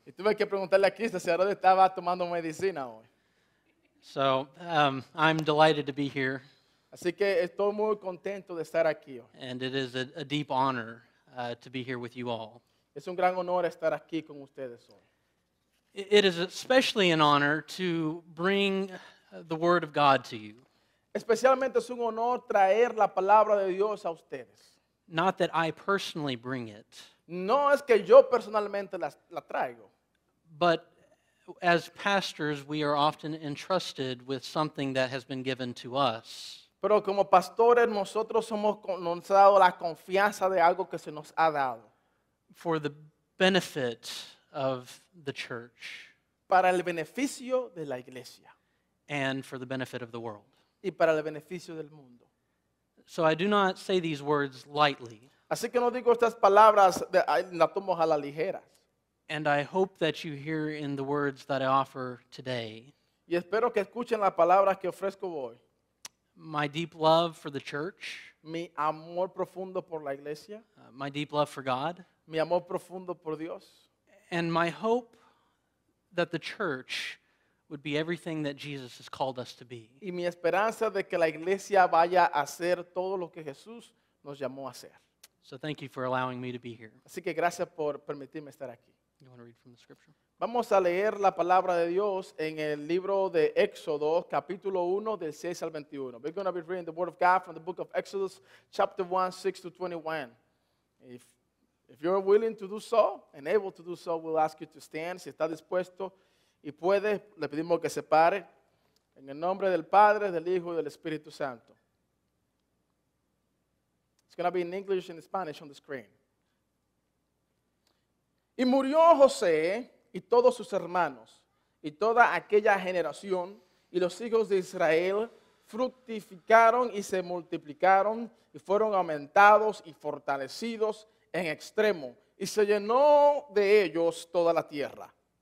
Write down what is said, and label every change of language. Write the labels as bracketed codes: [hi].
[es] Y tuve que preguntarle a Krista si Arodi estaba tomando medicina hoy. [en] So I'm delighted to be here. [es] Así que estoy muy contento de estar aquí hoy. [en] And it is a deep honor to be here with you all. [es] Es un gran honor estar aquí con ustedes hoy. [en] It is especially an honor to bring the Word of God to you. [es] Especialmente es un honor traer la palabra de Dios a ustedes. [en] Not that I personally bring it. [es] No es que yo personalmente la traigo. [en] But as pastors, we are often entrusted with something that has been given to us. [es] Pero como pastores, nosotros hemos conocido la confianza de algo que se nos ha dado. [en] For the benefit of the church. [es] Para el beneficio de la iglesia. [en] And for the benefit of the world. [es] Y para el beneficio del mundo. [en] So I do not say these words lightly. [es] Así que no digo estas palabras, las tomo a la ligera. [en] And I hope that you hear in the words that I offer today. [es] Y espero que escuchen las palabras que ofrezco hoy. [en] My deep love for the church. [es] Mi amor profundo por la iglesia. [en] My deep love for God. [es] Mi amor profundo por Dios. [en] And my hope that the church would be everything that Jesus has called us to be. [es] Y mi esperanza de que la iglesia vaya a hacer todo lo que Jesús nos llamó a hacer. [en] So thank you for allowing me to be here. [es] Así que gracias por permitirme estar aquí. [en] You want to read from the scripture? [es] Vamos a leer la palabra de Dios en el libro de Éxodo, capítulo 1, del 6 al 21. [en] We're going to be reading the word of God from the book of Exodus, chapter 1, 6 to 21. If you're willing to do so, and able to do so, we'll ask you to stand. [es] Si está dispuesto y puede, le pedimos que se pare. En el nombre del Padre, del Hijo y del Espíritu Santo. [en] It's going to be in English and Spanish on the screen. [es] Y murió José y todos sus hermanos y toda aquella generación y los hijos de Israel fructificaron y se multiplicaron y fueron aumentados y fortalecidos en extremo y se llenó de ellos toda la tierra.